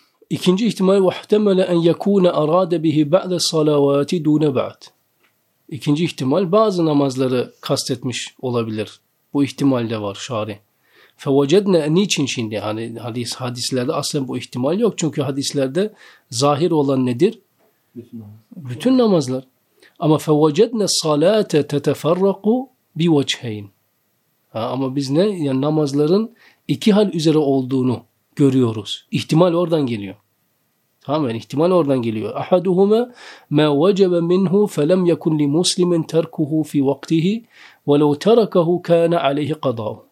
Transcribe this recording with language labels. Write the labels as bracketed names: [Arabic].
[Turkish] İkinci ihtimal [Arabic] وَحْتَمَلَ اَنْ يَكُونَ اَرَادَ بِهِ بَعْدَ الصَّلَوَاتِ دُونَ بَعْدٍ. [Turkish] İkinci ihtimal bazı namazları kastetmiş olabilir. Bu ihtimal de var şari. فَوَجَدْنَا niçin şimdi? Hani hadislerde aslında bu ihtimal yok. Çünkü hadislerde zahir olan nedir? Bütün namazlar. Ama [Arabic] فَوَجَدْنَا الصَّلَاةَ تَتَفَرَّقُ بِوَجْهَيْنِ [Turkish] Ama biz ne? Yani namazların iki hal üzere olduğunu görüyoruz. İhtimal oradan geliyor. Tamam mı? Yani ihtimal oradan geliyor. [Arabic] اَحَدُهُمَا مَا وَجَبَ مِنْهُ فَلَمْ يَكُنْ لِمُسْلِمٍ تَرْكُهُ فِي وَقْتِهِ وَلَوْ تَرَكَهُ كَانَ عَلَيْهِ قَضَاهُ.